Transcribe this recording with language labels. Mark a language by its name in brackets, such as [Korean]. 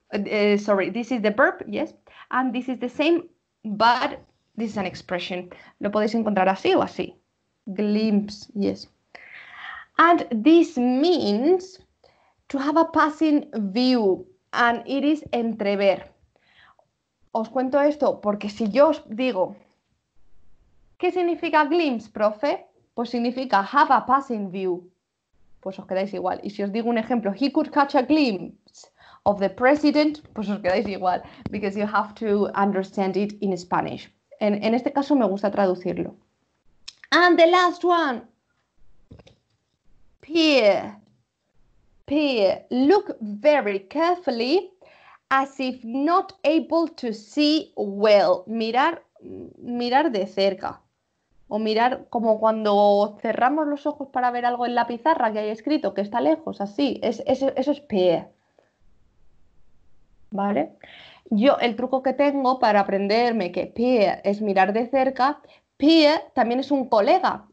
[English] This is the verb, yes, and this is the same, but this is an expression. [Spanish] Lo podéis encontrar así o así. Glimpse, yes. [English] And this means to have a passing view, and it is entrever. [Spanish] Os cuento esto porque si yo os digo, ¿qué significa glimpse, profe? Pues significa [English] have a passing view. [Spanish] Pues os quedáis igual. Y si os digo un ejemplo, [English] he could catch a glimpse of the president, [Spanish] pues os quedáis igual, [English] because you have to understand it in Spanish. [Spanish] En este caso me gusta traducirlo. [English] And the last one. Peer. Look very carefully as if not able to see well. [Spanish] Mirar de cerca. O mirar como cuando cerramos los ojos para ver algo en la pizarra que hay escrito, que está lejos, así. Eso es peer. ¿Vale? Yo, el truco que tengo para aprenderme que peer es mirar de cerca, peer también es un colega.